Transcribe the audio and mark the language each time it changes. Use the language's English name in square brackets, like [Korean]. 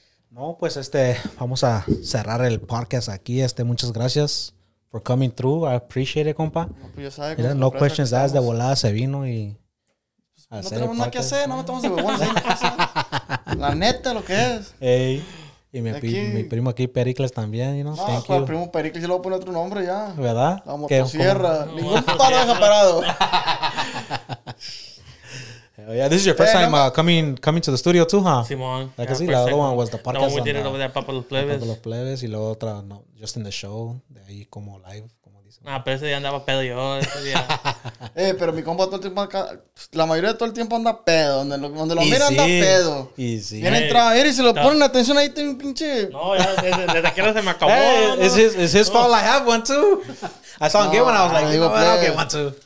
[Spanish] No, pues, vamos a cerrar el podcast aquí, muchas gracias. [English] For coming through, I appreciate it, compa. Yeah, [Spanish] no questions asked, de volada se vino y... No tenemos nada que hacer, no estamos de huevones. La neta, lo que es. Hey, y mi primo aquí, Pericles, también, [English] you know, thank you. [Spanish] El primo Pericles, yo le voy a poner otro nombre ya. ¿Verdad? La motosierra. Ningún paro deja parado. [English] Yeah, this is your first time coming to the studio too, huh? [Spanish] Simón. [English] Like, yeah, the other one was the podcast. No, we did it over there, Papa Los Plebes. [Spanish] Papa Los Plebes, y la otra, no, [English] just in the show, [Spanish] de ahí como live, como dice. Ah, pero ese día andaba pedo yo, ese día. pero mi compa todo el tiempo acá, la mayoría de todo el tiempo anda pedo, donde lo mira anda pedo. Y sí. Viene entrado, y si lo ponen atención ahí, tengo un pinche. No, ya, desde que no se me acabó. [English] It's his fault, I have one too. I saw him get one, I was like, [Spanish] digo, pero [English] get one too.